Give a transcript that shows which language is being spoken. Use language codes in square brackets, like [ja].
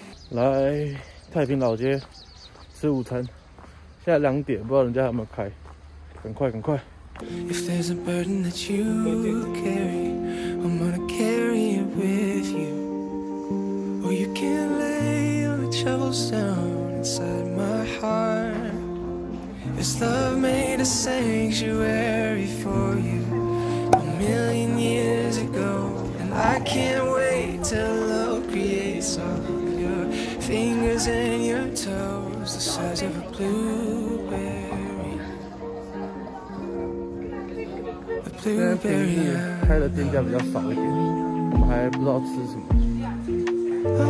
[zh] 来太平老街四五层，现在两点，不知道人家有没有开，赶快赶快。 [en] If there's a burden that you carry, I'm gonna carry it with you. Or you can lay all the troubles down inside my heart. This love made a sanctuary for you a million years ago. And I can't wait till love creates all of your fingers and your toes the size of a blueberry. [zh] 现在平日开的店家比较少一点，我们还不知道吃什么。